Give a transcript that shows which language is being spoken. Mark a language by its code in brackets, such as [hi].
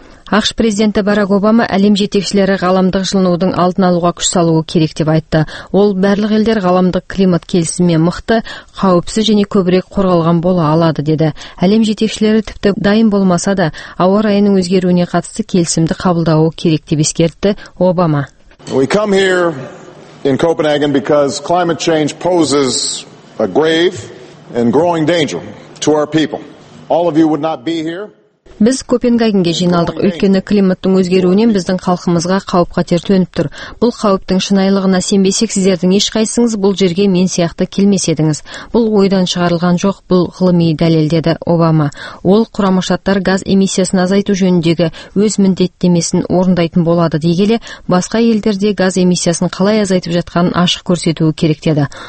[kk] Ақш президенті Барак Обама әлем жетекшілері ғаламдық жылынудың алдын алуға күш салуы керек деп айтты. Ол барлық елдер ғаламдық климат келісіміне мықты, қауіпсіз және көбірек қорғалған бола алады деді. Әлем жетекшілері тіпті дайын болмаса да, ауа райының өзгеруіне қатысты келісімді қабылдауы керек деп ескертті Обама. [en] We come here in Copenhagen because climate change poses a grave and growing danger to our people. All of you would not be here. [kk] Біз Копенгагенге жиналдық, өйткені климаттың өзгеруінен біздің халқымызға қауіп-қатер төніп тұр. Бұл қауіптің шынайылығына сенбесек, сіздердің ешқайсыңыз бұл жерге мен сияқты келмес едіңіз. Бұл ойдан шығарылған жоқ, бұл ғылыми дәлел, деді Обама. Ол Құрама Штаттар газ эмиссиясын азайту жөніндегі өз міндеттемесін орындайтын болады дегеле, басқа елдерде газ эмиссиясын қалай азайтып жатқанын ашық көрсетуі керек деді.